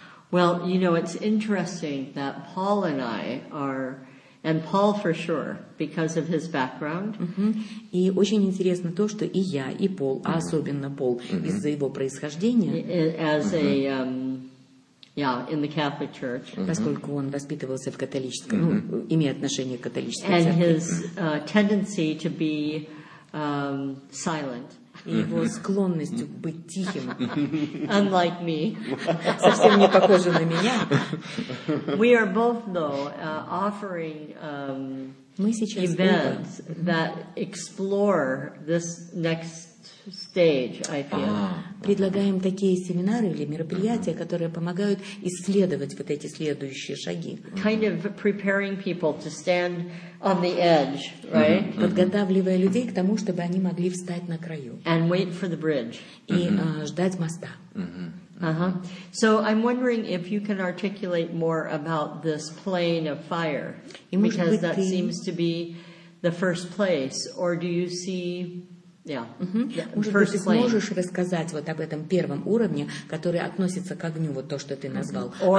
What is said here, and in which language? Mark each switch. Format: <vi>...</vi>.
<en>Well, you know, it's interesting that Paul and I are, and Paul for sure, because of his background.</en> <ru>И очень интересно то, что и я, и Пол, а особенно Пол, из-за его происхождения.</ru> <en>As a... Yeah, in the Catholic Church.</en> <ru>Поскольку он воспитывался в католической, ну, имея отношение к католической</ru> <en>And</en> <ru>церкви.</ru> <en>His tendency to be silent.</en> <ru>И его склонность быть тихим.</ru> <en>Unlike me.</en> <ru>Совсем не похоже на меня.</ru> <en>We are both, though, offering events that explore this next stage, I feel.</en> <ru>Предлагаем такие семинары или мероприятия, которые помогают исследовать вот эти следующие шаги.</ru> <en>Kind of preparing people to stand on the edge, right?</en> <ru>Подготавливая людей к тому, чтобы они могли встать на краю.</ru> <en>And wait for the bridge.</en> <ru>И ждать моста.</ru> <en>So I'm wondering if you can articulate more about this plane of fire, because that seems to be the first place, or do you see...</en> <ru>Может быть, ты сможешь рассказать вот об этом первом уровне, который относится к огню, вот то, что ты назвал,</ru>